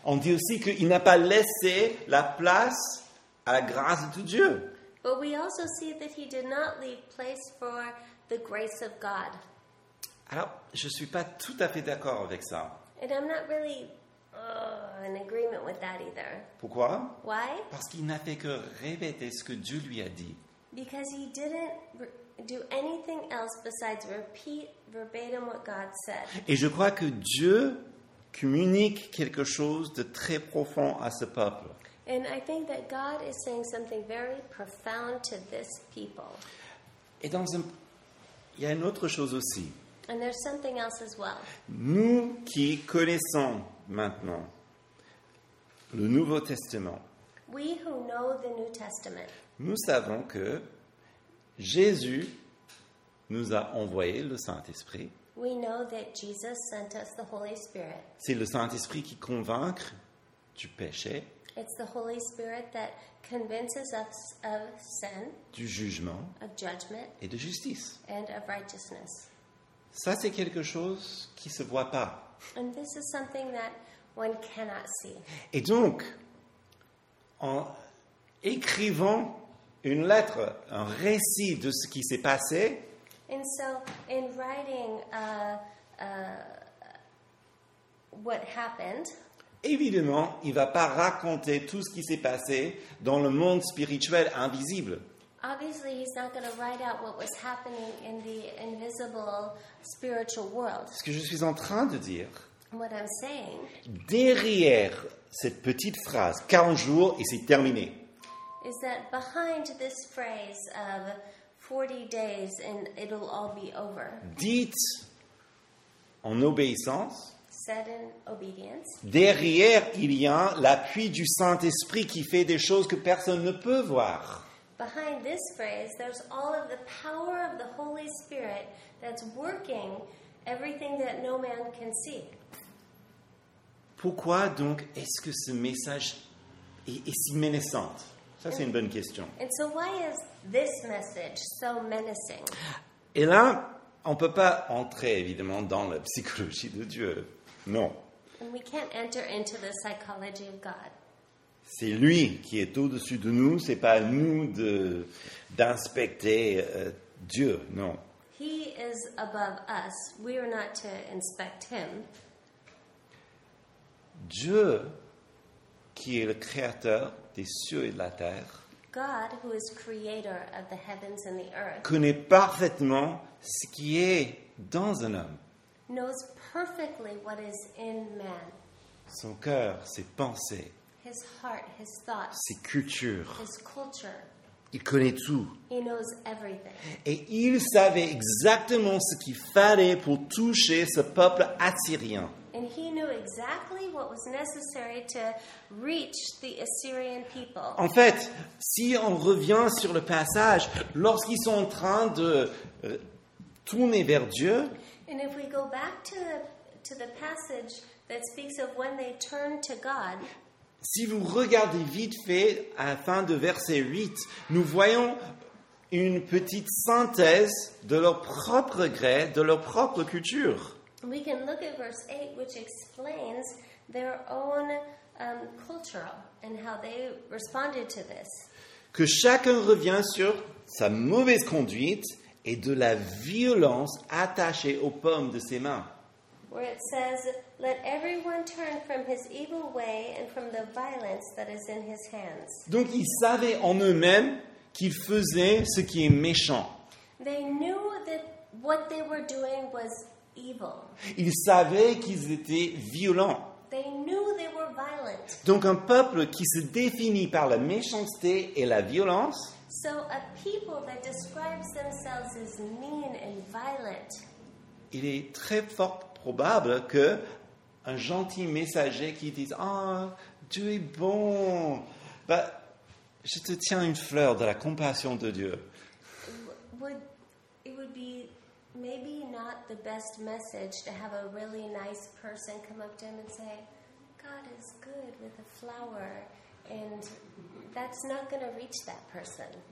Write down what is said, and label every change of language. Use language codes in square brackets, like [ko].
[fr] On dit aussi qu'il n'a pas laissé la place à la grâce de Dieu. [en] But we also see that he did not leave place for the grace of God. [fr] Alors, je ne suis pas tout à fait d'accord avec ça. [en] And I'm not really in agreement with that either. [fr] Pourquoi? [en] Why? [fr] Parce qu'il n'a fait que répéter ce que Dieu lui a dit. [en] Because he didn't do anything else besides repeat verbatim what God said. [fr] Et je crois que Dieu communique quelque chose de très profond à ce peuple. [en] And I think that God is saying something very profound to this people. [fr] Et dans un, il y a une autre chose aussi. [en] And there's something else as well. [fr] Nous qui connaissons maintenant le Nouveau Testament. [en] We who know the New Testament. [fr] Nous savons que Jésus nous a envoyé le Saint-Esprit. [en] We know that Jesus sent us the Holy Spirit. [fr] C'est le Saint-Esprit qui convainc du péché. [en] It's the Holy Spirit that convinces us of sin, [fr] du jugement, [en] of judgment, [fr] et de justice, [en] and of righteousness. [fr] Ça, c'est quelque chose qui ne se voit pas. [en] And this is something that one cannot see. [fr] Et donc, en écrivant une lettre, un récit de ce qui s'est passé, [en] and so, in writing, what happened, [fr] évidemment, il ne va pas raconter tout ce qui s'est passé dans le monde spirituel invisible. [en] Obviously, he's not going to write out what was happening in the invisible spiritual world. [fr] Ce que je suis en train de dire, [en] what I'm saying, [fr] derrière cette petite phrase, 40 jours et c'est terminé, [en] is that behind this phrase of 40 days and it'll all be over. [fr] Dites en obéissance, [en] said in obedience, [fr] derrière il y a l'appui du Saint-Esprit qui fait des choses que personne ne peut voir. [en] Behind this phrase, there's all of the power of the Holy Spirit that's working everything that no man can see. [fr] Pourquoi donc est-ce que ce message est si menaçant? Ça, c'est une bonne question. [en] And so why is this message so menacing? [fr] Et là, on ne peut pas entrer, évidemment, dans la psychologie de Dieu. Non. [en] And we can't enter into the psychology of God. [fr] C'est lui qui est au-dessus de nous, ce n'est pas à nous d'inspecter Dieu, non. [en] He is above us. We are not to inspect him. [fr] Dieu, qui est le créateur des cieux et de la terre, [en] God, who is creator of the heavens and the earth, [fr] connaît parfaitement ce qui est dans un homme. [en] Knows perfectly what is in man. [fr] Son cœur, ses pensées, [en] his heart, his thoughts, [fr] ses cultures, [en] his culture. [fr] Il connaît tout. [en] He knows everything. [fr] Et il savait exactement ce qu'il fallait pour toucher ce peuple assyrien. [en] And he knew exactly what was necessary to reach the Assyrian people. [fr] En fait, si on revient sur le passage, lorsqu'ils sont en train de tourner vers Dieu, [en] and if we go back to the passage that speaks of when they turn to God, [fr] si vous regardez vite fait à la fin de verset 8, nous voyons une petite synthèse de leur propre gré, de leur propre culture. [en] We can look at verse 8, which explains their own culture and how they responded to this. [fr] Que chacun revient sur sa mauvaise conduite et de la violence attachée aux paumes de ses mains. [en] Where it says, let everyone turn from his evil way and from the violence that is in his hands. [fr] Donc ils savaient en eux-mêmes qu'ils faisaient ce qui est méchant. [en] They knew that what they were doing was evil. [fr] Ils savaient qu'ils étaient violents. [en] They knew they were violent. [fr] Donc un peuple qui se définit par la méchanceté et la violence. [en] So a people that describes themselves as mean and violent. [fr] Il est très fort probable que un gentil messager qui dise "Ah, Dieu est bon. Bah, je te tiens une fleur de la compassion de Dieu." [en] Would be maybe not the best message to have a really nice person come up to him and say, "God is good," with a flower, and that's not going to reach that person.